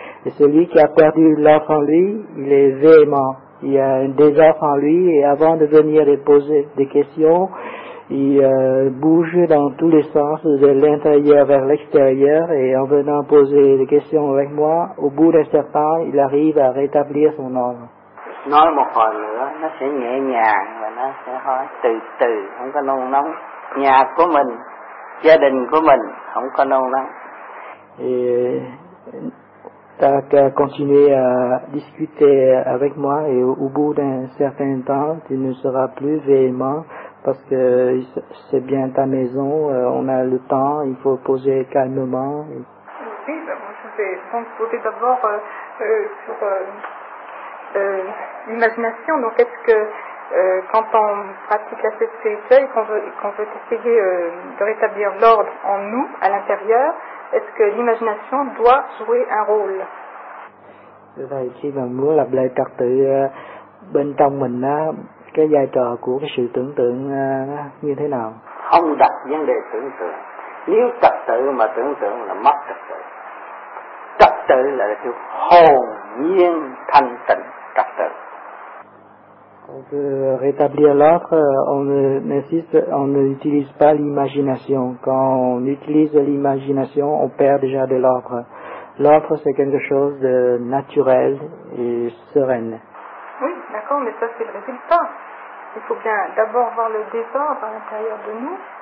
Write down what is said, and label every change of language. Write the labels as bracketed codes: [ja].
[fr] Et celui qui a perdu l'ordre en lui, il est véhément, il a un désordre en lui, et avant de venir les poser des questions, il bouge dans tous les sens, de l'intérieur vers l'extérieur, et en venant poser des questions avec moi, au bout d'un certain temps, il arrive à rétablir son ordre. [vi] Nói một hồi nữa, nó sẽ nhẹ nhàng và nó sẽ hỏi từ từ, không có nôn nóng. Nhà của mình, gia đình của mình, không có nôn nóng. [fr] Et tu as continué à discuter avec moi et au bout d'un certain temps, tu ne seras plus véhément parce que c'est bien ta maison, on a le temps, il faut poser calmement. Oui, je vais poser d'abord sur... l'imagination, donc est-ce que quand on pratique la sept spirituelle et qu'on veut essayer de rétablir l'ordre en nous, à l'intérieur, est-ce que l'imagination doit jouer un rôle? [vi] Là, khi mà muốn lập lại trật tự bên trong mình á, cái vai trò của cái sự tưởng tượng như thế nào? Không đặt vấn đề tưởng tượng. Nếu trật tự mà tưởng tượng là mất trật tự. Trật tự là cái hồn nhiên thanh tịnh. [fr] On veut rétablir l'ordre, on n'utilise pas l'imagination. Quand on utilise l'imagination, on perd déjà de l'ordre. L'ordre, c'est quelque chose de naturel et serein. Oui, d'accord, mais ça, c'est le résultat. Il faut bien d'abord voir le désordre à l'intérieur de nous.